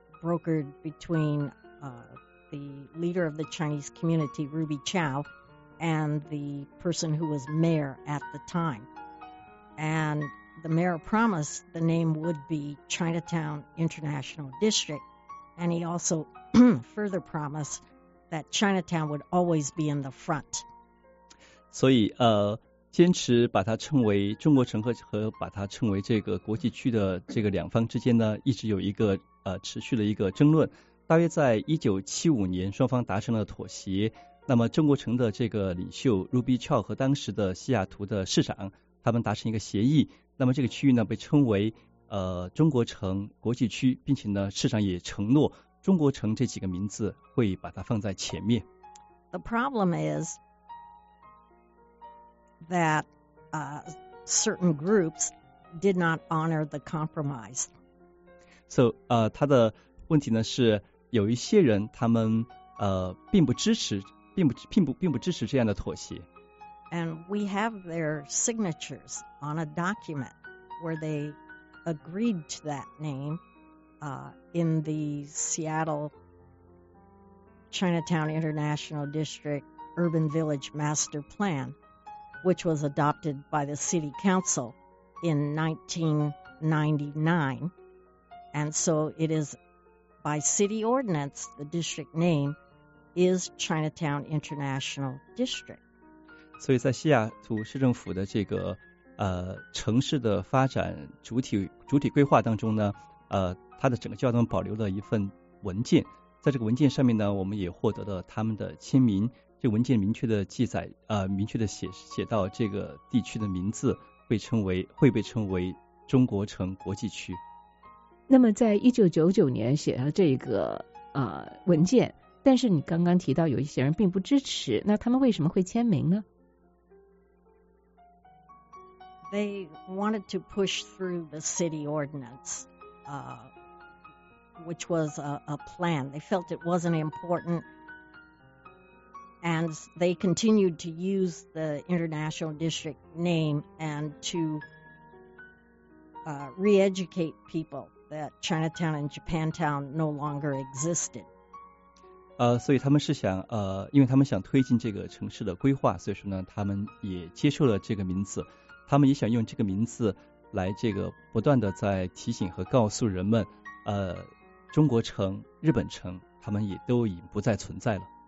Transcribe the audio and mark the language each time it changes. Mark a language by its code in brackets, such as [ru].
[en] brokered between the leader of the Chinese community, Ruby Chow, and the person who was mayor at the time. And the mayor promised the name would be Chinatown International District, and he also further promised that Chinatown would always be in the front. [zh] 所以, 坚持把它称为中国城 和把它称为这个国际区的这个两方之间呢，一直有一个持续的一个争论。大约在1975年，双方达成了妥协。那么中国城的这个领袖 Ruby Chow 和当时的西雅图的市长，他们达成一个协议。那么这个区域呢，被称为中国城国际区，并且呢，市长也承诺中国城这几个名字会把它放在前面。 [en] The problem is. That certain groups did not honor the compromise. [zh] So, 他的问题呢是有一些人他们并不支持，并不支持这样的妥协。 [en] And we have their signatures on a document where they agreed to that name in the Seattle Chinatown International District Urban Village Master Plan. Which was adopted by the city council in 1999. And so it is by city ordinance, the district name is Chinatown International District. [zh] 所以在西雅图市政府的这个城市的发展主体规划当中呢它的整个交通保留了一份文件。在这个文件上面呢我们也获得了他们的签名。这文件明确的记载明确的写到这个地区的名字会被称为中国城国际区。那么在1999年写了这个文件，但是你刚刚提到有一些人并不支持，那他们为什么会签名呢？ [en] They wanted to push through the city ordinance, which was a plan. They felt it wasn't importantAnd they continued to use the international district name and to re-educate people that Chinatown and Japantown no longer existed. [zh] 所以他们是想因为他们想推进这个城市的规划，所以说呢，他们也接受了这个名字。他们也想用这个名字来这个不断的在提醒和告诉人们，中国城、日本城，他们也都已不再存在了。